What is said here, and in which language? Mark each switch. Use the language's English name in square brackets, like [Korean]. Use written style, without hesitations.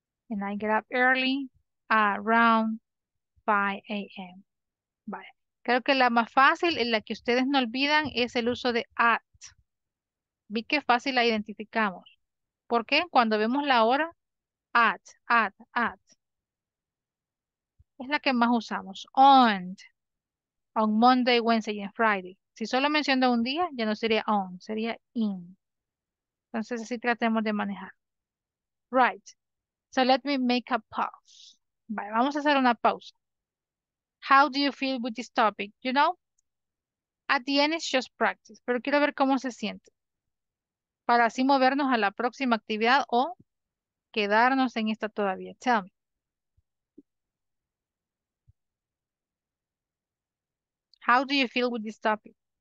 [English] And I get up early around 5 a.m. [Spanish] Vale. Creo que la más fácil, en la que ustedes no olvidan, es el uso de at. Vi que fácil la identificamos. ¿Por qué? Cuando vemos la hora, at. Es la que más usamos. [English] On Monday, Wednesday, and Friday. [Spanish] Si solo menciono un día, ya no sería on, sería in. Entonces así tratemos de manejar. [English] Right. So let me make a pause. [Spanish] Vale, vamos a hacer una pausa. [English] How do you feel with this topic? You know, at the end it's just practice. [Spanish] Pero quiero ver cómo se siente. Para así movernos a la próxima actividad o quedarnos en esta todavía. [English] Tell me. How do you feel with this topic?